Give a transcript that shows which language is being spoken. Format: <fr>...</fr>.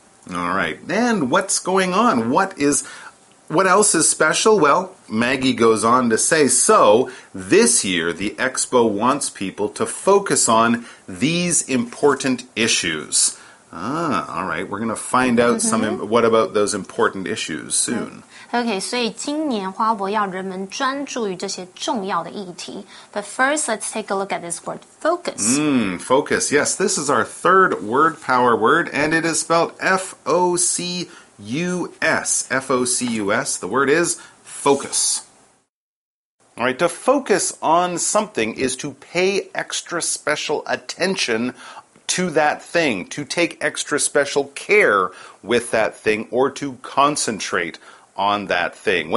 <en>All right. And what's going on? What else is special? Well, Maggie goes on to say, so this year the expo wants people to focus on these important issues. All right, we're going to find out what about those important issues soon.</en> <zh>Okay, 所以今年花博要人们专注于这些重要的议题。</zh> <en>But first, let's take a look at this word, focus. Focus, yes, this is our third word power word, and it is spelled F-O-C-U-S, F-O-C-U-S, the word is focus. All right, to focus on something is to pay extra special attention to that thing, to take extra special care with that thing, or to concentrate on that thing.</en>